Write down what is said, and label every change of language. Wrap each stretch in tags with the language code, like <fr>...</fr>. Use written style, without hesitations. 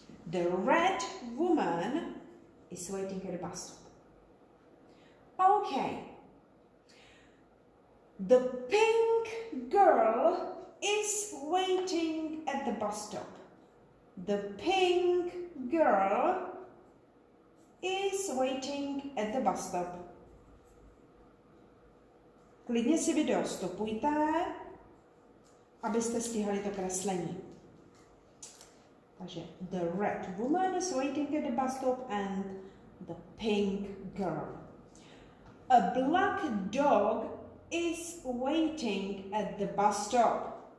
<en>The red woman is waiting at the bus stop. Okay. The pink girl is waiting at the bus stop. The pink girl is waiting at the bus stop.</en> <cs>Klidně si video stopujte, abyste stihli to kreslení.</cs> <en>Takže the red woman is waiting at the bus stop and the pink girl. A black dog is waiting at the bus stop.</en>